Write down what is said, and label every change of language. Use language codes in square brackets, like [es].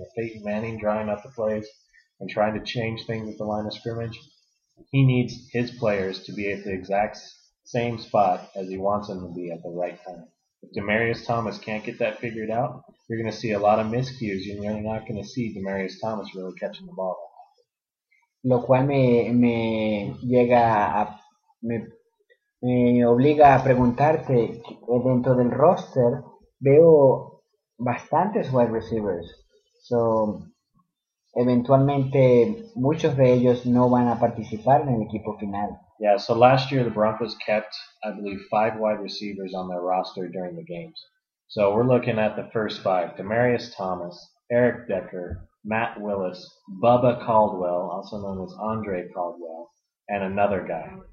[en] And with Peyton Manning drawing up the plays and trying to change things at the line of scrimmage, he needs his players to be at the exact same spot as he wants them to be at the right time. If Demaryius Thomas can't get that figured out, you're going to see a lot of miscues, and you're not going to see Demaryius Thomas really catching the ball that often. [es] Lo cual me obliga a preguntarte, dentro del roster veo bastantes wide receivers, so eventualmente muchos de ellos no van a participar en el equipo final. [en] Yeah, so last year the Broncos kept, I believe, 5 wide receivers on their roster during the games. So we're looking at the first 5, Demaryius Thomas, Eric Decker, Matt Willis, Bubba Caldwell, also known as Andre Caldwell, and another guy.